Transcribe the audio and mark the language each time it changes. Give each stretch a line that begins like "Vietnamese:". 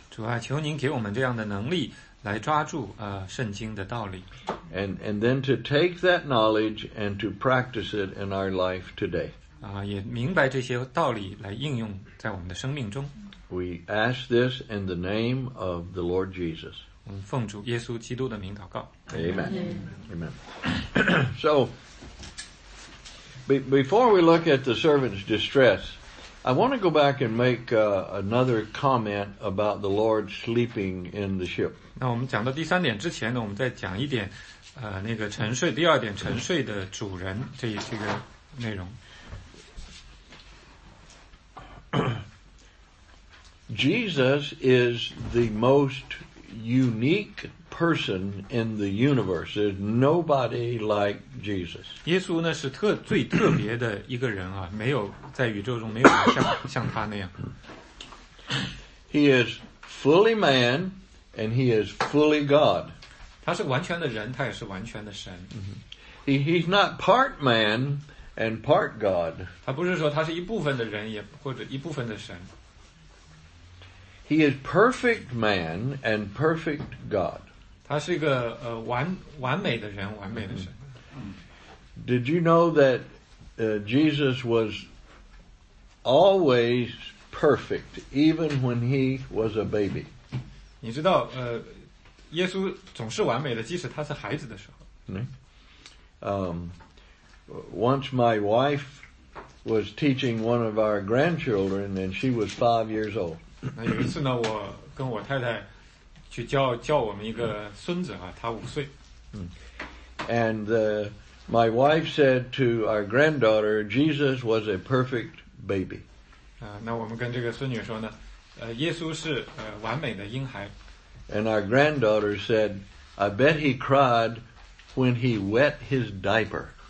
Chinese: 主啊，求您给我们这样的能力来抓住圣经的道理。
English: And then to take that knowledge and to practice it in our life today.
Chinese: 也明白这些道理来应用在我们的生命中。
English: We ask this in the name of the Lord Jesus.
Chinese: 我们奉主耶稣基督的名祷告。
English: Amen. Amen. So, before we look at the servant's distress, I want to go back and make another comment about the Lord sleeping in the ship.
Chinese: 那我们讲到第三点之前呢，我们再讲一点那个沉睡，第二点沉睡的主人这个内容。
English: Jesus is the most unique person in the universe. There's nobody like Jesus.
Chinese: 耶稣呢是特最特别的一个人啊，没有在宇宙中没有像他那样。
English: He is fully man, and he is fully God.
Chinese: 他是完全的人，他也是完全的神。
English: He's not part man and part God.
Chinese: 他不是说他是一部分的人，也或者一部分的神。
English: He is perfect man and perfect God.
Chinese: 他是一个完美的人，完美的神。
English: Did you know that Jesus was always perfect, even when he was a baby?
Chinese: 你知道耶稣总是完美的，即使他是孩子的时候。
English: Once my wife was teaching one of our grandchildren, and she was 5 years old.
Chinese: 那有一次呢，我跟我太太去教我们一个孙子啊，他五岁。
English: And my wife said to our granddaughter, Jesus was a perfect baby.
Chinese: 那我们跟这个孙女说呢，耶稣是完美的婴孩。
English: And our granddaughter said, I bet he cried when he wet his diaper.